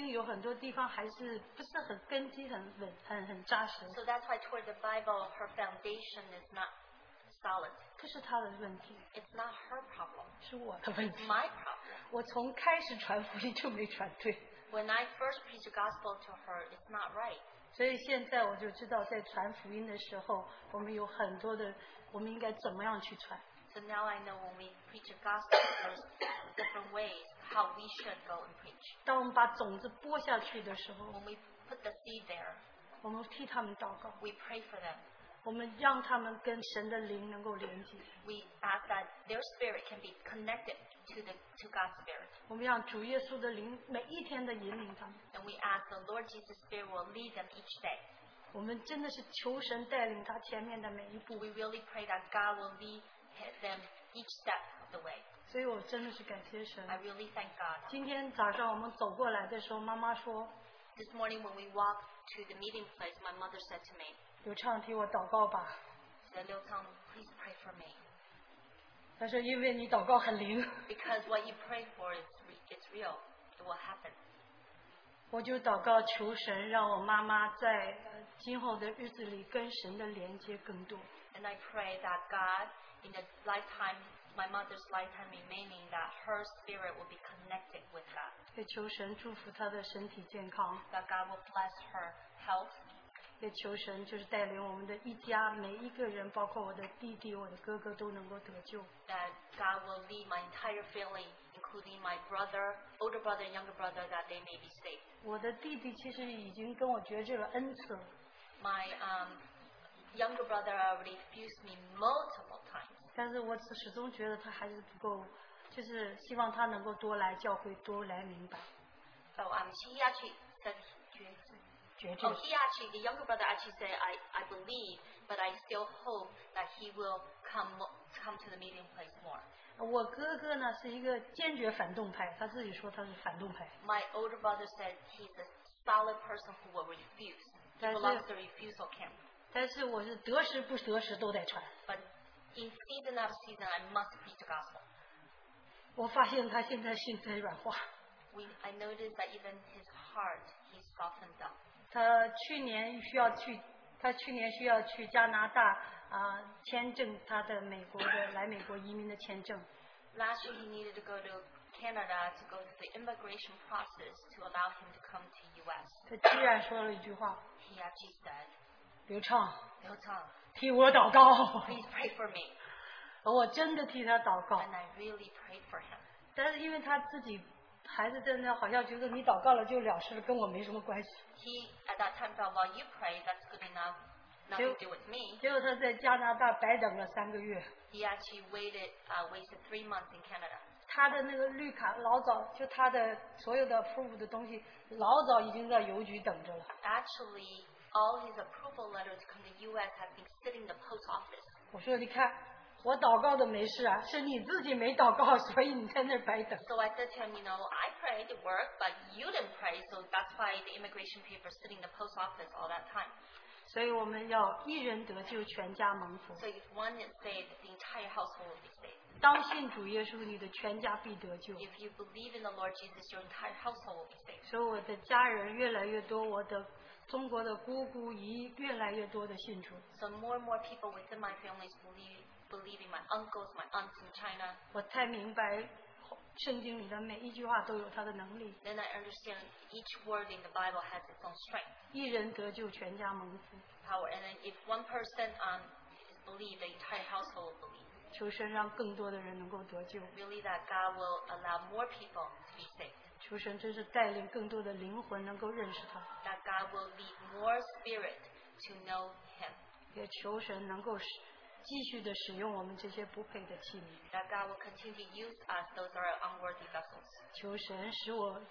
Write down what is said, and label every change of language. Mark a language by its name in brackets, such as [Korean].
[Chinese] 所以她对圣经有很多地方还是不是很根基, 很稳, 很, 很扎实, [English] so that's why toward the Bible her foundation is not solid. [Chinese] 不是她的问题, [English] it's not her problem, [Chinese] 是我的问题, [English] it's my problem. [Chinese] 我从开始传福音就没传对, [English] when I first preach the gospel to her, it's not right. [Chinese] 所以现在我就知道在传福音的时候, 我们有很多的, 我们应该怎么样去传。 [English] So now I know when we preach the gospel, there's different ways how we should go and preach. [Chinese] 当我们把种子播下去的时候, [English] when we put the seed there, [Chinese] 我们替他们祷告, [English] we pray for them. [Chinese] 我们让他们跟神的灵能够连接。 [English] We ask that their spirit can be connected to God's spirit. [Chinese] 我们让主耶稣的灵每一天的引领他们。 [English] And we ask the Lord Jesus Spirit will lead them each day. [Chinese] 我们真的是求神带领他前面的每一步。 [English] We really pray that God will lead them each step of the way. [Chinese] 所以我真的是感谢神。 [English] I really thank God. [Chinese] 今天早上我们走过来的时候, 妈妈说, [English] this morning when we walked to the meeting place, my mother said to me, [Chinese] 刘畅替我祷告吧, [English] said, 刘畅, please pray for me. [Chinese] 他说因为你祷告很灵, [English] because what you pray for is real, it will happen. [Chinese] 我就祷告求神让我妈妈在今后的日子里跟神的连接更多, [English] and I pray that God in the lifetime, my mother's lifetime remaining, that her spirit will be connected with God. [Chinese] 也求神祝福她的身体健康, [English] that God will bless her health, [Chinese] 也求神就是带领我们的一家每一个人包括我的弟弟我的哥哥都能够得救 [English] that God will lead my entire family including my brother older brother and younger brother that they may be saved [Chinese] 我的弟弟其实已经跟我决志了 N 次 [English] my younger brother already refused me multiple times [Chinese] 但是我始终觉得他还是不够就是希望他能够多来教会多来明白 [English] so he actually said he Oh, he actually, the younger brother actually said, I believe, but I still hope that he will come to the meeting place more. [Chinese] 我哥哥呢是一个坚决反动派，他自己说他是反动派。 [English] My older brother said he's a solid person who will refuse. He belongs to the refusal camp. [Chinese] 但是我是得时不得时都得传。 [English] But in season after season, I must preach the gospel. [Chinese] 我发现他现在心在软化。 [English] I noticed that even his heart, he softened up. [Chinese] 他去年需要去加拿大啊、签证他的美国的来美国移民的签证。 [English] Last year he needed to go to Canada to go through the immigration process to allow him to come to U.S. [Chinese] 他居然说了一句话。 [English] He actually said, [Chinese] 刘畅，刘畅，替我祷告。 [English] Please pray for me. [Chinese] 我真的替他祷告。 [English] And I really prayed for him. [Chinese] 但是因为他自己。孩子真的好像觉得你祷告了就了事了，跟我没什么关系。 [English] He at that time thought, well, you pray, that's good enough, nothing to do with me. [Chinese] 结果他在加拿大白等了三个月。 [English] He actually wasted 3 months in Canada. [Chinese] 他的那个绿卡老早就他的所有的 approval 的东西老早已经在邮局等着了。 [English] Actually, all his approval letters come to U.S. have been sitting in the post office. [Chinese] 我说你看。我祷告的没事啊，是你自己没祷告，所以你在那白等。 [English] So I said to him, you know, I prayed, it worked, but you didn't pray, so that's why the immigration paper sitting in the post office all that time. [Chinese] 所以我们要一人得救，全家蒙福。 [English] So if one is saved, the entire household will be saved. [Chinese] 当信主耶稣，你的全家必得救。 [English] If you believe in the Lord Jesus, your entire household will be saved. [Chinese] 所以我的家人越来越多，我的。中国的姑姑姨越来越多的信主。 [English] So more and more people within my family is believing my uncles, my aunts in China. [Chinese] 我太明白圣经里的每一句话都有它的能力。 [English] Then I understand each word in the Bible has its own strength. [Chinese] 一人得救全家蒙福。 [English] Power. And then if one person is believed, the entire household will believe. [Chinese] 求神让更多的人能够得救。 [English] Really that God will allow more people to be saved. [Chinese] 求神真是带领更多的灵魂能够认识他。 [English] That God will lead more spirit to know Him. [Chinese] 也求神能够继续的使用我们这些不配的器皿。 [English] That God will continue to use us those are unworthy vessels.